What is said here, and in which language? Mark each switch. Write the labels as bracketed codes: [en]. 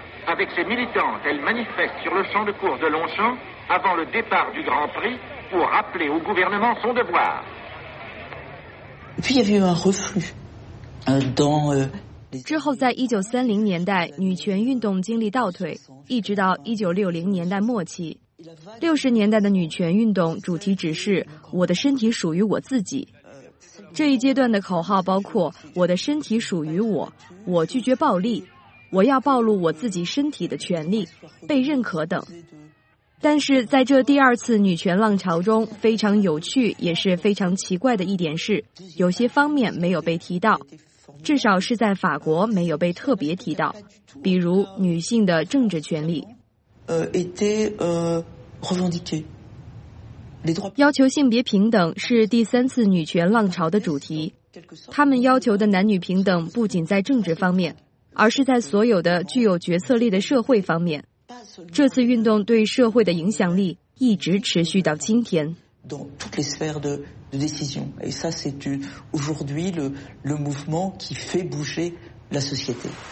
[fr] Avec ses militantes, elle manifeste sur le champ de course de Longchamp avant le départ du Grand Prix pour rappeler au gouvernement son devoir. Et puis il y avait eu un reflux dans. [zh] 之后，在1930年代，女权运动经历倒退，一直到1960年代末期。 60年代的女权运动主题只是“我的身体属于我自己”。这一阶段的口号包括我的身体属于我，我拒绝暴力，我要暴露我自己身体的权利，被认可等。但是在这第二次女权浪潮中，非常有趣也是非常奇怪的一点是，有些方面没有被提到，至少是在法国没有被特别提到，比如女性的政治权利。要求性别平等是第三次女权浪潮的主题。他们要求的男女平等不仅在政治方面，而是在所有的具有决策力的社会方面。这次运动对社会的影响力一直持续到今天。 [fr] Dans toutes les sphères de décision. Et ça, c'est aujourd'hui le mouvement qui fait bouger la société.